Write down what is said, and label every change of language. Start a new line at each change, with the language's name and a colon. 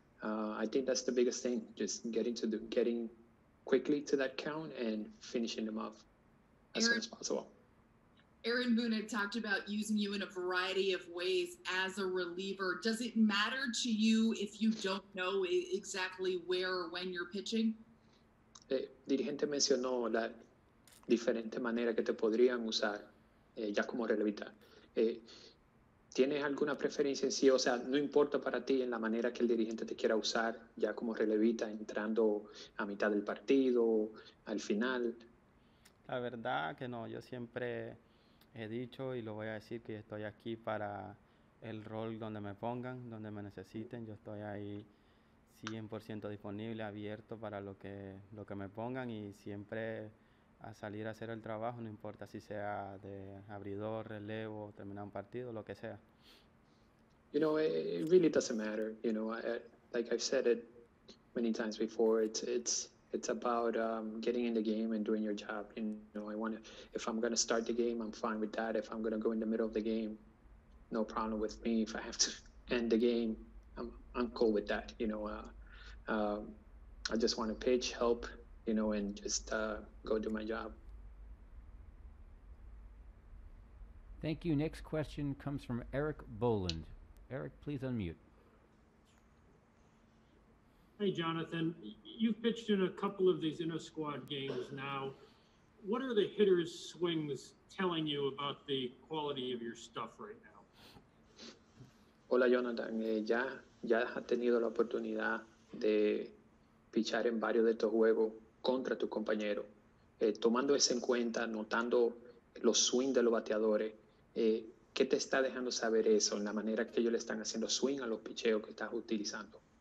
English: I think that's the biggest thing, just getting quickly to that count and finishing them off as soon as possible. Aaron Boone had talked about using you in a variety of ways as a reliever. Does it matter to you if you don't know exactly where or when you're pitching?
Spanish: Dirigente mencionó la diferente manera que te podrían usar ya como relevista. ¿Tienes alguna preferencia en sí? O sea, ¿no importa para ti en la manera que el dirigente te quiera usar ya como relevista, entrando a mitad del partido, al final? La verdad que no. Yo siempre he dicho y lo voy a decir que estoy aquí para el rol donde me pongan, donde me necesiten. Yo estoy ahí 100% disponible, abierto para lo que me pongan, y siempre a salir a hacer el trabajo, no importa si sea de abridor, relevo, terminar un partido, lo que sea.
English: You know, it really doesn't matter. You know, like I've said it many times before, it's about getting in the game and doing your job. You know, if I'm going to start the game, I'm fine with that. If I'm going to go in the middle of the game, no problem with me. If I have to end the game, I'm cool with that. You know, I just want to pitch, help, you know, and just go do my job. Thank you. Next question comes from Eric Boland. Eric, please unmute. Hey, Jonathan. You've pitched in a couple of these inner squad games now. What are the hitters' swings telling you about the quality of your stuff right now?
Spanish: Hola, Jonathan. Ya has tenido la oportunidad de pichar en varios de estos juegos contra tu compañero. Tomando eso en cuenta, notando los swing de los bateadores, ¿qué te está dejando saber eso en la manera que ellos le están haciendo swing a los picheos que estás utilizando?